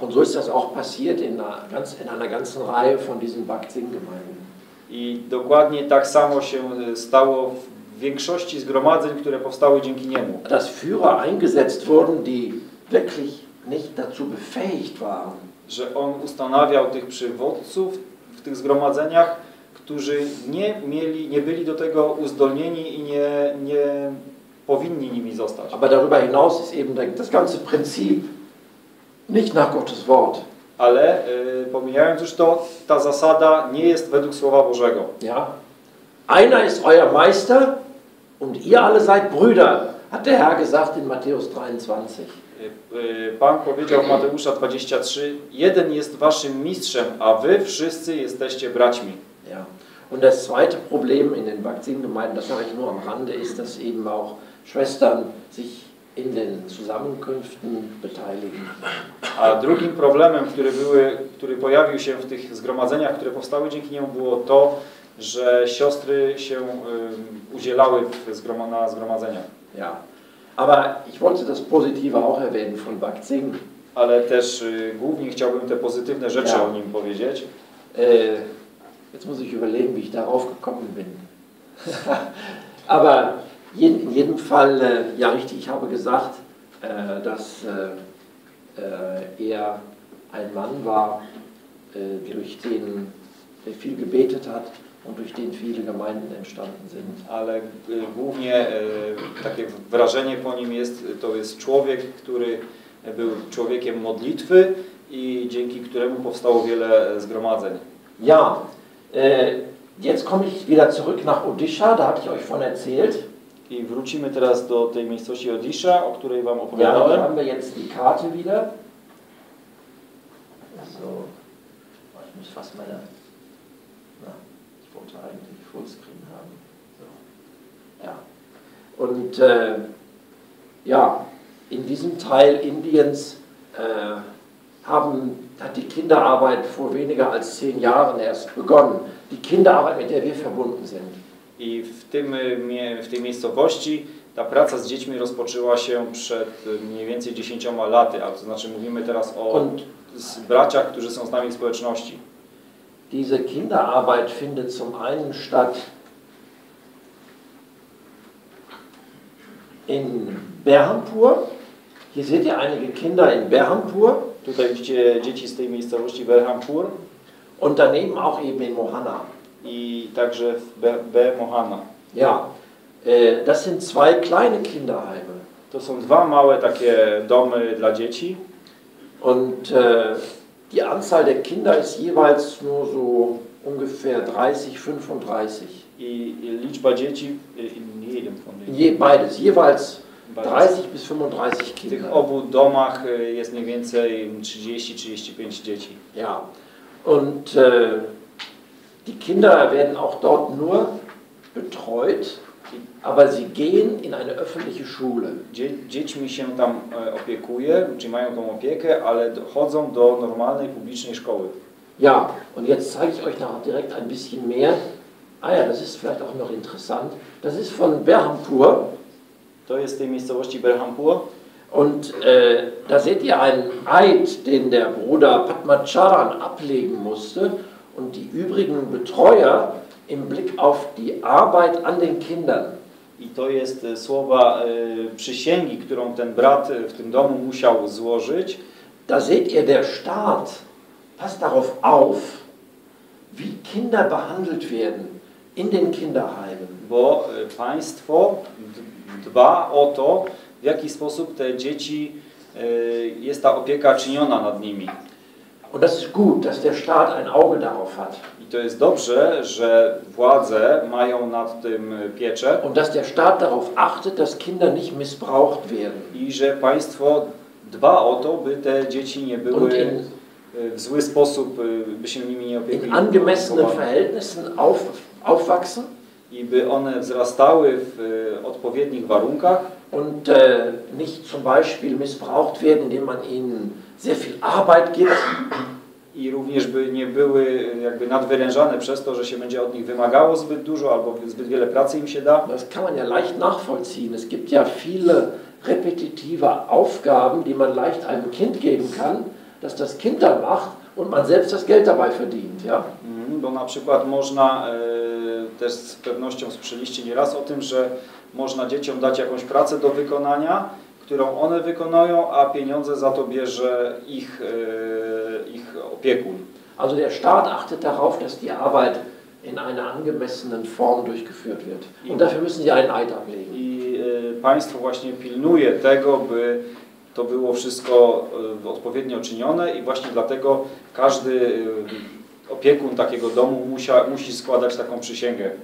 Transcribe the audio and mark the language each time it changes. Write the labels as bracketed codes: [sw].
[de] Und so ist das auch passiert in einer ganzen Reihe von diesen Bakzin-Gemeinden. [pl] I dokładnie tak samo się stało w większości zgromadzeń, które powstały dzięki niemu. [de] Dass Führer eingesetzt wurden, die wirklich nicht dazu befähigt waren. [pl] Że on ustanawiał tych przywódców w tych zgromadzeniach, którzy nie byli do tego uzdolnieni i nie powinni nimi zostać. [de] Aber darüber hinaus ist eben das ganze Prinzip nicht nach Gottes Wort. [pl] Ale pomijając już to, ta zasada nie jest według Słowa Bożego. [de] Ja. Einer ist euer Meister und ihr alle seid Brüder, hat der Herr gesagt in Matthäus 23. [pl] Pan powiedział w Mateusza 23, jeden jest waszym mistrzem, a wy wszyscy jesteście braćmi. [de] Ja. Und das zweite Problem in den Bakzin-Gemeinden, das mache ich nur am Rande, ist, dass eben auch Schwestern sich in den Zusammenkünften beteiligen. [pl] A drugim problemem, który pojawił się w tych zgromadzeniach, które powstały dzięki niemu, było to, że siostry się udzielały na zgromadzeniach. [de] Ja. Aber ich wollte das Positive auch erwähnen von Bakzin. [pl] Ale też głównie chciałbym te pozytywne rzeczy ja. O nim powiedzieć. [de] Jetzt muss ich überlegen, wie ich darauf gekommen bin. Aber in jedem Fall, ja richtig, ich habe gesagt, dass er ein Mann war, durch den er viel gebetet hat und durch den viele Gemeinden entstanden sind. [pl] Ale głównie takie wrażenie po nim jest, to jest człowiek, który był człowiekiem modlitwy i dzięki któremu powstało wiele zgromadzeń. [de] Ja. Jetzt komme ich wieder zurück nach Odisha, da habe ich euch von erzählt. [pl] I wrócimy teraz do tej miejscowości Odisha, o której wam opowiadałem. [de] Ja, haben wir jetzt die Karte wieder. So. Ich muss fast meine... Na, ich wollte eigentlich Fullscreen haben. So. Ja. Und ja, in diesem Teil Indiens hat die Kinderarbeit vor weniger als 10 Jahren erst begonnen. Die Kinderarbeit, mit der wir verbunden sind. [pl] I w tej miejscowości ta praca z dziećmi rozpoczęła się przed mniej więcej 10 laty, a to znaczy mówimy teraz o braciach, którzy są z nami w społeczności. [de] Diese Kinderarbeit findet zum einen statt in Berhampur. Hier seht ihr einige Kinder in Berhampur. [pl] Tutaj widzicie dzieci z tej miejscowości Berhampur. [de] Und daneben auch eben in Mohana. [pl] I także w Mohana. [de] Ja. Das sind zwei kleine Kinderheime. [pl] To są dwa małe takie domy dla dzieci. [de] Und die Anzahl der Kinder ist jeweils nur so ungefähr 30, 35. [pl] I liczba dzieci [de] in jedem von denen. Beides, jeweils 30 bis 35 Kinder. [pl] W tych obu domach jest mniej więcej 30-35 dzieci. [de] Ja. Und die Kinder werden auch dort nur betreut, aber sie gehen in eine öffentliche Schule. [pl] Dziećmi się tam opiekuje, czy mają tą opiekę, ale chodzą do normalnej publicznej szkoły. [de] Ja, und jetzt zeige ich euch noch direkt ein bisschen mehr. Ah ja, das ist vielleicht auch noch interessant. Das ist von Berhampur. [pl] To jest tej miejscowości Berhampur. [de] Und da seht ihr einen Eid, den der Bruder Padmacharan ablegen musste. Und die übrigen Betreuer im Blick auf die Arbeit an den Kindern. [pl] I to jest słowa przysięgi, którą ten brat w tym domu musiał złożyć. [de] Da seht ihr, der Staat passt darauf auf, wie Kinder behandelt werden in den Kinderheimen. [pl] Bo państwo dba o to, w jaki sposób te dzieci, jest ta opieka czyniona nad nimi. [de] Und das ist gut, dass der Staat ein Auge darauf hat. [pl] I to jest dobrze, że władze mają nad tym pieczę. [de] Und dass der Staat darauf achtet, dass Kinder nicht missbraucht werden. [pl] I że państwo dba o to, by te dzieci nie były w zły sposób, by się nimi nie opiekowali. [de] In angemessenen Verhältnissen aufwachsen. [pl] I by one wzrastały w odpowiednich warunkach. [de] Und nicht zum Beispiel missbraucht werden, indem man ihnen sehr viel Arbeit gibt, [pl] i również by nie były jakby nadwyrężane przez to, że się będzie od nich wymagało zbyt dużo albo zbyt wiele pracy im się da. [de] Das kann man ja leicht nachvollziehen. Es gibt ja viele repetitive Aufgaben, die man leicht einem Kind geben kann, dass das Kind dann macht und man selbst das Geld dabei verdient, ja? [pl] Bo na przykład można też z pewnością słyszeliście nieraz o tym, że można dzieciom dać jakąś pracę do wykonania, którą one wykonują, a pieniądze za to bierze ich ich opiekun. [de] Also der Staat achtet darauf, dass die Arbeit in einer angemessenen Form durchgeführt wird. Und dafür müssen sie ein Eid ablegen. [pl] I państwo właśnie pilnuje tego, by to było wszystko odpowiednio czynione i właśnie dlatego każdy opiekun takiego domu musi składać taką przysięgę.